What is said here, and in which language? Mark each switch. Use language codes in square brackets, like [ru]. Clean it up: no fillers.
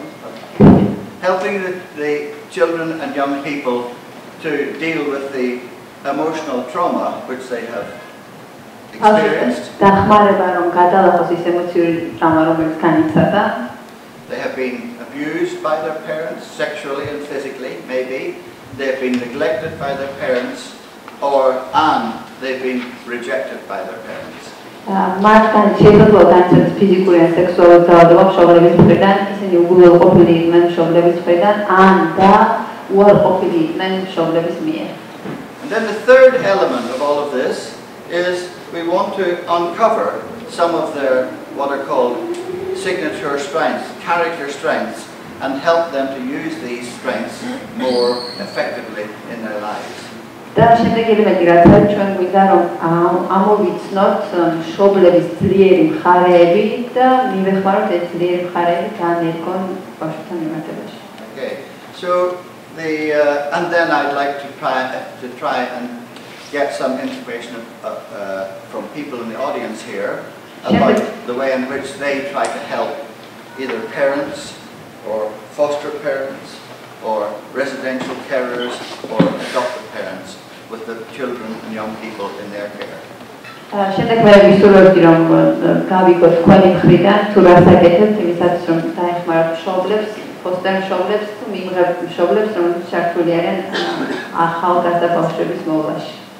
[en] helping the children and young people to deal with the emotional trauma which they have experienced. [ka] დახმარება რომ გადალახოს ის ემოციური ტრავმა რომელიც განიცადა. [en] They have been abused by their parents sexually and physically, maybe they've been neglected by their parents or they've been rejected by their parents. [ka] მათგან შეიძლება თქვა ფიზიკური ან სექსუალური ძალადობა მშობლების მხრიდან, ისინი უგულოყოფილი იყვნენ მშობლების მხრიდან ან და უარყოფილი იყვნენ მშობლების მიერ. [en] And then the third element of all of this is we want to uncover some of their what are called signature strengths, character strengths, and help them to use these strengths more effectively in their lives. [ka] და შემდეგ ელემენტი რაც ჩვენ გვინდა რომ ამოვიცნოთ მშობლების ძლიერი მხარეები და მივეხმაროთ ეს ძლიერი მხარეები განერგონ ბავშვთა მიმართებაში. [en] Okay. So the and then I'd like to try and get some information from people in the audience here about the way in which they try to help either parents or foster parents or residential carers or adopted parents with the children and young people in their care. [ka] შემდეგ მე ვისურვებდი რომ გავიგოთ თქვენი მხრიდან თუ რა საკეთებთ იმისათვის რომ დაეხმაროთ მშობლებს, ფოსტერ მშობლებს თუ მიმღებ მშობლებს რომელიც ჩართული არიან ახალგაზრდა ბავშვების მოვლაში.